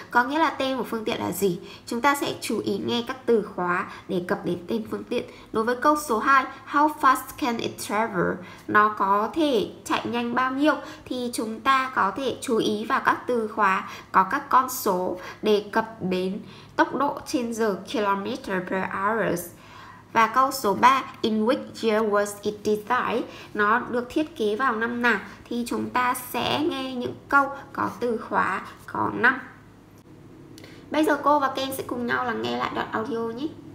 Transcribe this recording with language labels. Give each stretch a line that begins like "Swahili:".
Vietnamese: Có nghĩa là tên của phương tiện là gì? Chúng ta sẽ chú ý nghe các từ khóa để cập đến tên phương tiện. Đối với câu số 2,
English: how fast can it travel?
Vietnamese: Nó có thể chạy nhanh bao nhiêu? Thì chúng ta có thể chú ý vào các từ khóa có các con số để cập đến tốc độ trên giờ, kilometer per hour. Và câu số 3,
English: in which year was it designed?
Vietnamese: Nó được thiết kế vào năm nào? Thì chúng ta sẽ nghe những câu có từ khóa có năm. Bây giờ cô và Ken sẽ cùng nhau lắng nghe lại đoạn audio nhé.